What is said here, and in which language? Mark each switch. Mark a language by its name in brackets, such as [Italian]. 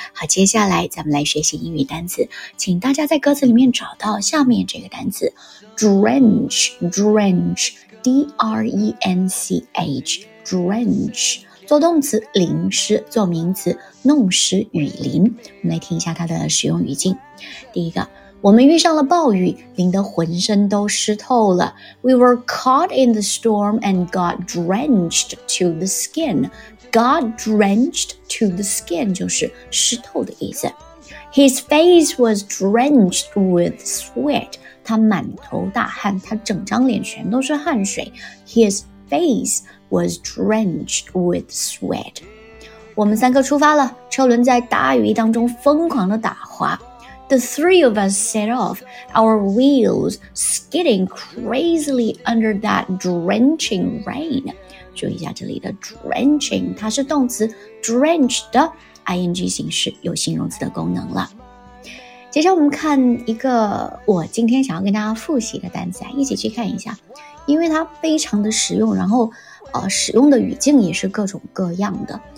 [Chinese] 好，接下来咱们来学习英语单词，请大家在歌词里面找到下面这个单词 Drench D-R-E-N-C-H Drench， 做动词淋湿，做名词弄湿雨淋。我们来听一下它的使用语境。第一个，我们遇上了暴雨，淋得浑身都湿透了。 [English] We were caught in the storm and got drenched to the skin. Got drenched to the skin [Chinese] 就是湿透的意思。 [English] His face was drenched with sweat. [Chinese] 他满头大汗，他整张脸全都是汗水。 [English] His face was drenched with sweat. [Chinese] 我们三个出发了，车轮在大雨当中疯狂地打滑。 [English] The three of us set off, our wheels skidding crazily under that drenching rain. [Chinese] 注意一下这里的 drenching, 它是动词 drenched, ing 形式，有形容词的功能了。接下来我们看一个我今天想要跟大家复习的单词，一起去看一下，因为它非常的实用，然后使用的语境也是各种各样的。